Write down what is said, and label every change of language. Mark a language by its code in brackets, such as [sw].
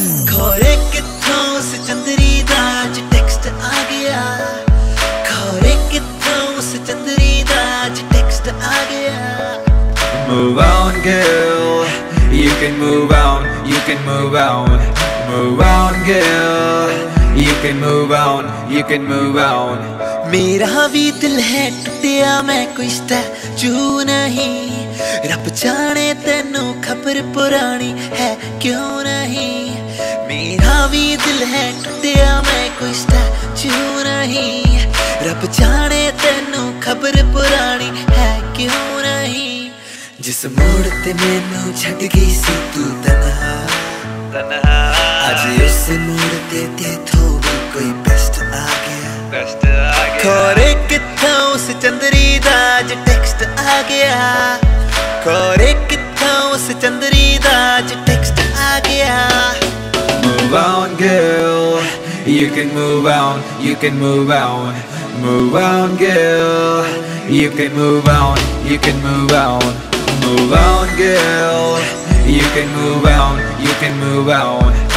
[pa] ਖੋਰੇ ਕਿੱਥੋਂ ਉਸ ਚੰਦਰੀ ਦਾ ਅੱਜ ਟੈਕਸਟ ਆ ਗਿਆ, ਖੋਰੇ ਕਿੱਥੋਂ ਉਸ ਚੰਦਰੀ ਦਾ ਅੱਜ ਟੈਕਸਟ ਆ ਗਿਆ। [en] Move on girl, you can move on, you can move on. Move on girl, you can move on, you can move on. [pa] ਮੇਰਾ ਵੀ ਦਿਲ ਹੈ ਟੁੱਟਿਆ, ਮੈਂ ਕੋਈ ਸਟੈਚੂ ਨਹੀਂ, ਰੱਬ ਜਾਣੇ ਤੈਨੂੰ ਖਬਰ ਪੁਰਾਣੀ ਹੈ ਕਿਉਂ ਨਹੀਂ। ਮੇਰਾ ਵੀ ਦਿਲ ਹੈ ਟੁੱਟਿਆ, ਮੈਂ ਕੋਈ ਸਟੈਚੂ ਨਹੀਂ, ਰੱਬ ਜਾਣੇ ਤੈਨੂੰ ਖਬਰ ਪੁਰਾਣੀ ਹੈ ਕਿਉਂ ਨਹੀਂ। ਜਿਸ ਮੋੜ ਤੇ ਮੈਨੂੰ ਛੱਡ ਗਈ ਸੀ ਤੂੰ ਤਨਹਾ ਤਨਹਾ, ਅੱਜ ਉਸ ਮੋੜ ਤੇ ਤੇਥੋਂ ਵੀ ਕੋਈ ਬੈਸਟ ਆ ਗਿਆ, ਬੈਸਟ ਆ ਗਿਆ। ਖੋਰੇ ਕਿੱਥੋਂ ਉਸ ਚੰਦਰੀ ਦਾ ਅੱਜ ਟੈਕਸਟ ਆ ਗਿਆ, ਖੋਰੇ ਕਿੱਥੋਂ ਉਸ ਚੰਦਰੀ ਦਾ ਅੱਜ ਟੈਕਸਟ ਆ ਗਿਆ। [en] Move on girl, you can move on, you can move on. Move on girl, you can move on, you can move on. Move on girl, you can move on, you can move on.